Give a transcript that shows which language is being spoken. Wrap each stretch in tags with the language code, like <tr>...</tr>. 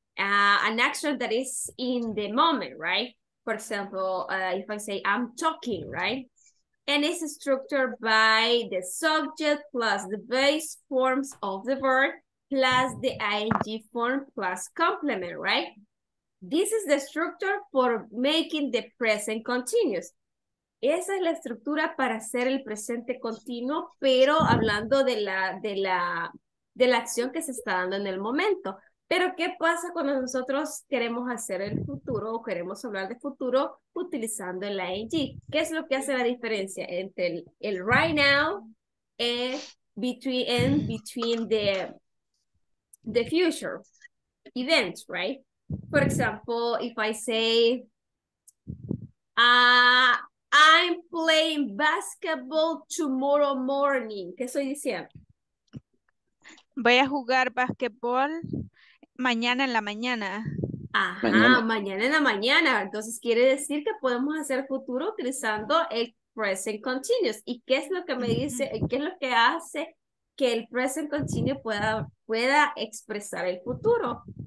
<en>an action that is in the moment, right? For example, if I say I'm talking, right? And it's structured by the subject plus the base forms of the verb plus the ing form plus complement, right? This is the structure for making the present continuous.</en> <es>Esa es la estructura para hacer el presente continuo, pero hablando de la acción que se está dando en el momento. Pero ¿qué pasa cuando nosotros queremos hacer el futuro o queremos hablar de futuro utilizando el ing? ¿Qué es lo que hace la diferencia entre el</es> <en>right now and between the future events, right? For example, if I say I'm playing basketball tomorrow morning.</en> <es>¿Qué estoy diciendo? Voy a jugar basketball mañana en la mañana. Mañana en la mañana. Entonces quiere decir que podemos hacer futuro utilizando el present continuous. ¿Y qué es lo que me dice? ¿Qué es lo que hace que el present continuous pueda expresar el futuro?</es>